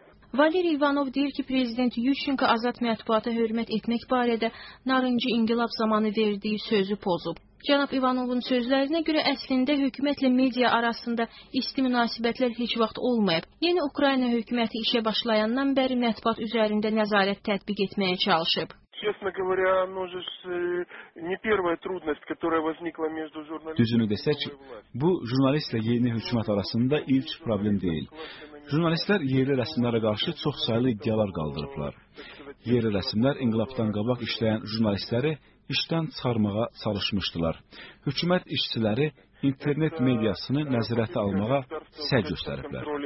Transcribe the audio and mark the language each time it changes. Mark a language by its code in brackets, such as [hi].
[az] Valeri İvanov deyir ki, prezident Yushchenko azad mətbuata hörmət etmək barədə Narıncı İnqilab zamanı verdiyi sözü pozub. Cənab İvanovun sözlərinə görə əslində hökumətlə media arasında isti münasibətlər heç vaxt olmayıb. Yeni Ukrayna hökuməti işə başlayandan bəri mətbuat üzərində nəzarət tətbiq etməyə çalışıb. [ru] Честно говоря, оно же не первая трудность, которая возникла между журналистами. [az] Düzünü desək, bu jurnalistlə yeni hökumət arasında ilk problem deyil. Jurnalistlər yerli rəsmilərə qarşı çox saylı iddialar qaldırıblar. Yerli rəsmilər inqilabdan qabaq işləyən jurnalistləri işdən çıxarmağa çalışmışdılar. Hökumət işçiləri internet mediasını nəzarətə almağa səy göstəriblər.